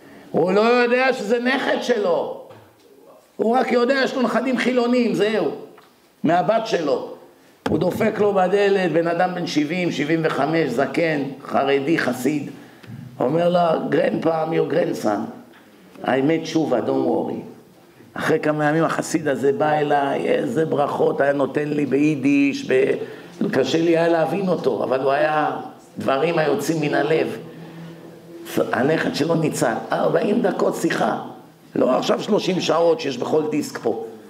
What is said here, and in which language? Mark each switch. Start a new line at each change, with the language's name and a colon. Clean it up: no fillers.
Hebrew: הוא לא יודע שזה נכד שלו. הוא רק יודע, יש לו נכדים חילונים, זהו. מהבת שלו. הוא דופק לו בדלת, בן אדם בן 70, 75, זקן, חרדי, חסיד. אומר לה,
English: גרנפא, I'm your grandson. I made שובה, don't worry.
Hebrew: אחרי כמה ימים החסיד הזה בא אליי, איזה ברכות היה נותן לי ביידיש, קשה לי היה להבין אותו, אבל הוא היה דברים היוצאים מן הלב. הנכד שלו ניצל, 40 דקות שיחה. לא עכשיו 30 שעות שיש בכל דיסק פה.